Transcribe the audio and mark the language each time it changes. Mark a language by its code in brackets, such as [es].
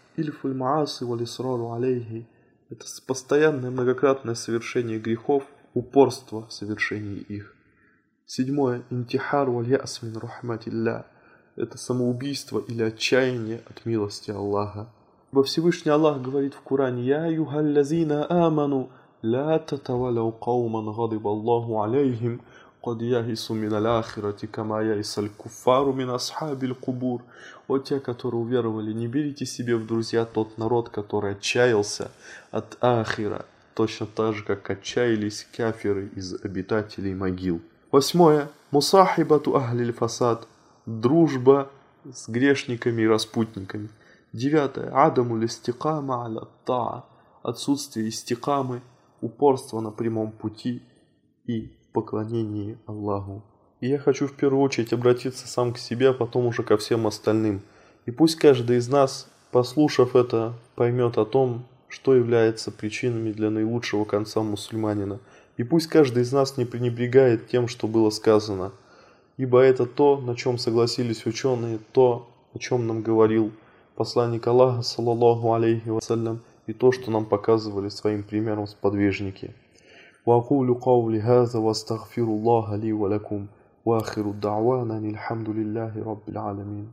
[ar] Ильфуль маасы валисрару алейхи. [ru] Это постоянное многократное совершение грехов, упорство в совершении их. Седьмое. [ar] Интихар валь яс мин рахматилля. [ru] Это самоубийство или отчаяние от милости Аллаха. Во Всевышний Аллах говорит в Куране: [ar] «Я юхаллязина аману, لا تتولوا قوما غضب الله عليهم قد يئسوا من الآخرة كما يئس الكفار من أصحاب القبور. [ru] Вот те, которые уверовали, не берите себе в друзья тот народ, который отчаялся от Ахира, точно так же, как отчаялись кафиры из обитателей могил. Восьмое. [ar] Мусахибату ахлиль фасад. [ru] Дружба с грешниками и распутниками. Девятое. [ar] Адаму листикама аля таа. [ru] Отсутствие истикамы, упорство на прямом пути и поклонении Аллаху. И я хочу в первую очередь обратиться сам к себе, а потом уже ко всем остальным. И пусть каждый из нас, послушав это, поймет о том, что является причинами для наилучшего конца мусульманина. И пусть каждый из нас не пренебрегает тем, что было сказано. Ибо это то, на чем согласились ученые, то, о чем нам говорил посланник Аллаха, саллаллаху алейхи вассалям, и то, что нам показывали своим примером сподвижники. [ar] وأقول قولي هذا وأستغفر الله لي ولكم وآخر دعوانا الحمد لله رب العالمين.